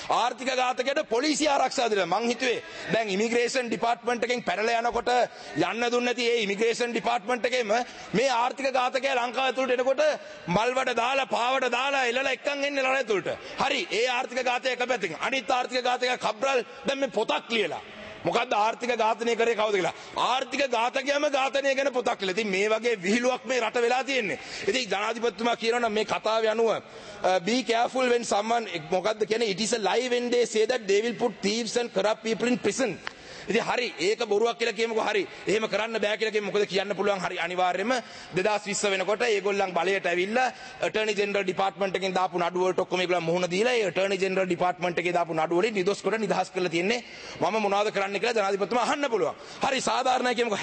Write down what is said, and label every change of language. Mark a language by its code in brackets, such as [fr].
[si] ආර්ථික ඝාතකයාට පොලිසිය ආරක්ෂා දෙන්න. මං හිතුවේ දැන් ඉමිග්‍රේෂන් ඩිපාර්ට්මන්ට් එකෙන් පැනලා යනකොට යන්න දුන්නේ නැති ඒ ඉමිග්‍රේෂන් ඩිපාර්ට්මන්ට් එකේම මේ ආර්ථික ඝාතකයා ලංකාව ඇතුළට එනකොට මල්වඩ දාලා පාවඩ දාලා එලලා එක්කන් එන්නේ ලරණ ඇතුළට. හරි, ඒ ආර්ථික ඝාතකයා එක පැත්තකින්. අනිත් ආර්ථික ඝාතකයා කබ්‍රල් දැන් මේ පොතක් ලියලා මොකද්ද ආර්ථික ඝාතනය කරේ කවුද කියලා ආර්ථික ඝාතකයම ඝාතනය ගැන පොතක් කියලා. ඉතින් මේ වගේ විහිළුවක් මේ රට වෙලා තියෙන්නේ. ඉතින් ජනාධිපතිතුමා කියනවා මේ කතාවේ අනුව [en] be careful when someone [si] මොකද්ද කියන්නේ [en] it is a lie when they say that they will put thieves and corrupt people in prison. [si] ඉතින් හරි, ඒක බොරුවක් කියලා කියමුකෝ. හරි, එහෙම කරන්න බෑ කියලා කියමු. මොකද කියන්න පුළුවන්? හරි, අනිවාර්යයෙන්ම 2020 වෙනකොට ඒගොල්ලන් බලයට ඇවිල්ලා attorney general department එකෙන් දාපු නඩුව වලට ඔක්කොම ඒගොල්ලන් මුහුණ දීලා ඒ attorney general department එකේ දාපු නඩුව වලින් නිදොස් කොට නිදහස් කරලා තියෙන්නේ. මම මොනවද කරන්න කියලා ජනාධිපතිතුමා අහන්න පුළුවන්. හරි, සාධාරණයි කියමුකෝ.